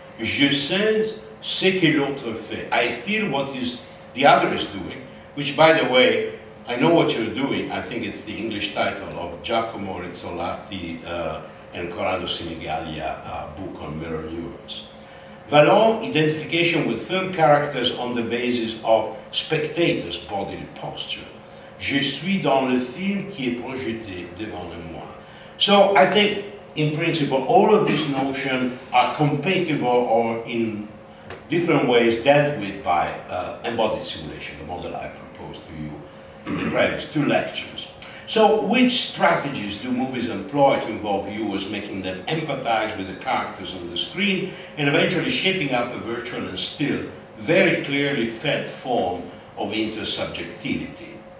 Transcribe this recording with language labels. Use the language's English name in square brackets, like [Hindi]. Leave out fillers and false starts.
[French] Je sais ce que l'autre fait. [English] I feel what is the other is doing, which, by the way, I know what you're doing. I think it's the English title of Giacomo Rizzolatti and Corrado Sinigaglia book on mirror neurons. Vallon, identification with film characters on the basis of spectators' bodily posture. [French] Je suis dans le film qui est projeté devant moi. [English] So I think, in principle, all of these notions are compatible or in different ways dealt with by embodied simulation, the model I proposed to you in the previous two lectures. So which strategies do movies employ to involve viewers, making them empathize with the characters on the screen and eventually shaping up a virtual and still very clearly fed form of intersubjectivity?